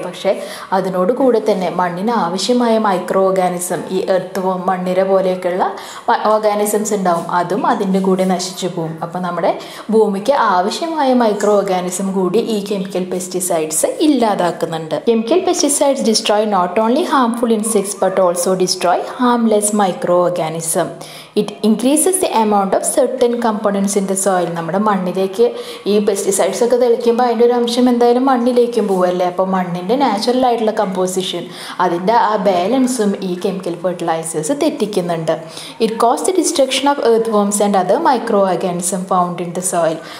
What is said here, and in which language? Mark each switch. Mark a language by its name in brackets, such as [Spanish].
[Malayalam] പക്ഷേ അതിനോടുകൂടെ തന്നെ മണ്ണിന് ആവശ്യമായ മൈക്രോ ഓർഗാനിസം, ഈ എർത്ത് വോം മണ്ണിര പോലെയൊക്കെയുള്ള ഓർഗാനിസംസ് ഉണ്ടാവും, അതും അതിൻ്റെ കൂടെ നശിച്ചു പോവും. അപ്പോൾ നമ്മുടെ ഭൂമിക്ക് ആവശ്യമായ മൈക്രോ ഓർഗാനിസം കൂടി ഈ [English] Chemical pesticides ഇല്ലാതാക്കുന്നുണ്ട്. Chemical pesticides destroy not only harmful insects but also destroy harmless microorganism. It increases the amount of certain components in the soil. [Malayalam] നമ്മുടെ മണ്ണിലേക്ക് ഈ പെസ്റ്റിസൈഡ്സ് ഒക്കെ തളിക്കുമ്പോൾ അതിൻ്റെ ഒരു അംശം എന്തായാലും മണ്ണിലേക്കും പോവുമല്ലേ. അപ്പോൾ മണ്ണിൻ്റെ നാച്ചുറൽ ആയിട്ടുള്ള കമ്പോസിഷൻ അതിൻ്റെ ആ ബാലൻസും ഈ chemical fertilisers തെറ്റിക്കുന്നുണ്ട്. [English] It cause the destruction of earthworms and other micro organism found in the soil.